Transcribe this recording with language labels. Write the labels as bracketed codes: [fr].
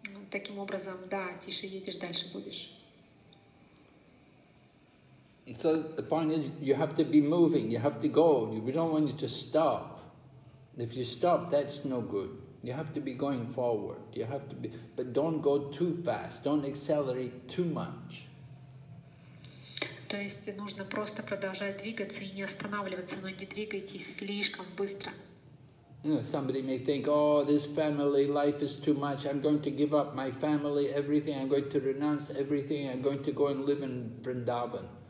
[ru] Таким образом, да, тише едешь, дальше будешь. [en] So the point is, you have to be moving, you have to go, we don't want you to stop. If you stop, that's no good. You have to be going forward, you have to be, but don't go too fast, don't accelerate too much. [ru] То есть нужно просто продолжать двигаться и не останавливаться, но не двигайтесь слишком быстро. [en] You know, somebody may think, oh, this family life is too much, I'm going to give up my family, everything, I'm going to renounce everything, I'm going to go and live in Vrindavan.